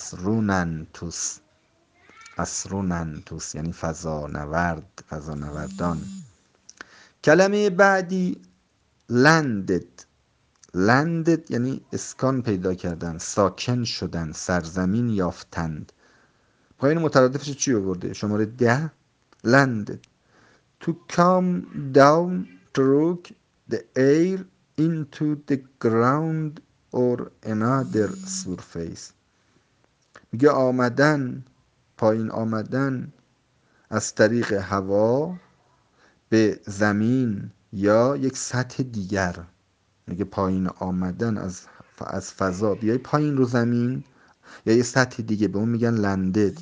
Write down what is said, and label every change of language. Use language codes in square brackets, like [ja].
[fa] اسرونانتوس، اسرونانتوس یعنی فضا نورد، فضا نوردان. کلمه بعدی landed. landed یعنی اسکان پیدا کردن، ساکن شدن، سرزمین یافتند. پایین مترادفش چی آورده؟ شماره 10 landed. [en] To come down through the air into the ground or another surface. [fa] میگه آمدن، پایین آمدن از طریق هوا به زمین یا یک سطح دیگر. میگه پایین آمدن از فضا، بیای پایین رو زمین یا یک سطح دیگه، به اون میگن لندد.